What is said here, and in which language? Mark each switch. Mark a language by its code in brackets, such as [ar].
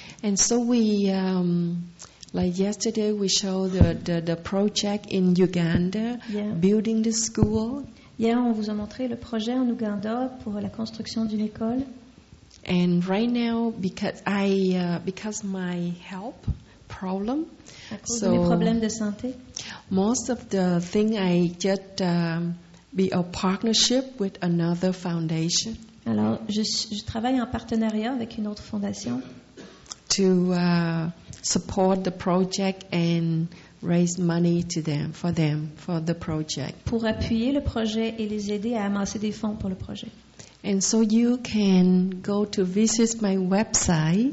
[en] And so we, like yesterday, we showed the project in Uganda, building the school. [fr] Hier, on vous a montré le projet en Ouganda pour la construction d'une école. [en] And right now, because I because my health problem, [fr] so mes problèmes de santé, [en] most of the thing I just be a partnership with another foundation. [fr] Alors, je travaille en partenariat avec une autre fondation. [en] To support the project and raise money to them, for the project. [fr] Pour appuyer le projet et les aider à amasser des fonds pour le projet. [en] And so you can go to visit my website.